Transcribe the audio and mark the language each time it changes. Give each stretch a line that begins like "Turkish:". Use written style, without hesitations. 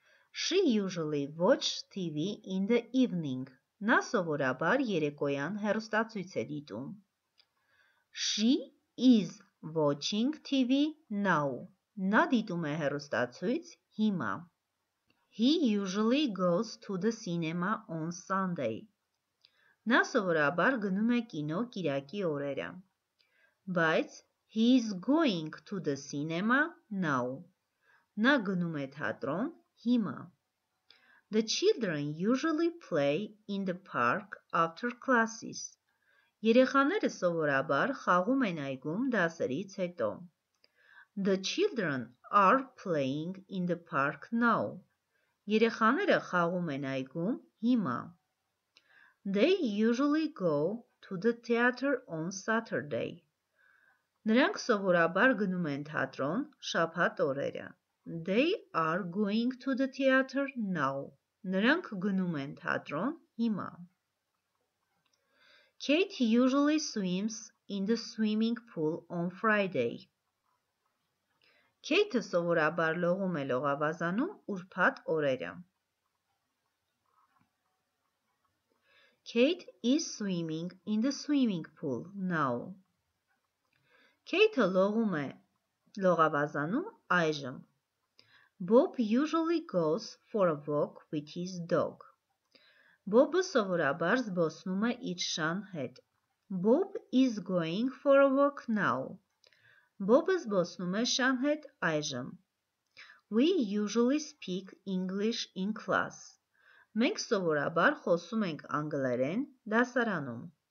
English: She usually watches TV in the evening.
Armenian: Նա սովորաբար երեկոյան հեռուստացույց է դիտում.
English: She is watching TV now.
Armenian: Նա դիտում է հեռուստացույց հիմա.
English: He usually goes to the cinema on Sunday.
Armenian: Նա սովորաբար գնում է կինո կիրակի օրերը.
English: But he is going to the cinema now.
Armenian: Նա գնում է թատրոն հիմա.
English: The children usually play in the park after classes.
Armenian: Երեխաները սովորաբար խաղում են այգում դասերից հետո.
English: The children are playing in the park now.
Armenian: Երեխաները խաղում են այգում հիմա.
English: They usually go to the theater on Saturday.
Armenian: Նրանք սովորաբար գնում են թատրոն շաբաթ օրերը.
English: They are going to the theater now.
Armenian: Նրանք գնում են թատրոն հիմա.
English: Kate usually swims in the swimming pool on Friday.
Armenian: Kate-ը սովորաբար լողում է լողավազանում ուրբաթ օրերը.
English: Kate is swimming in the swimming pool now.
Armenian: Kate-ը լողում է լողավազանում այժմ.
English: Bob usually goes for a walk with his dog.
Armenian: Bob-ը սովորաբար զբոսնում է իր շան հետ.
English: Bob is going for a walk now.
Armenian: Bob-ը զբոսնում է շան հետ այժմ.
English: We usually speak English in class.
Armenian: Մենք սովորաբար խոսում ենք անգլերեն դասարանում.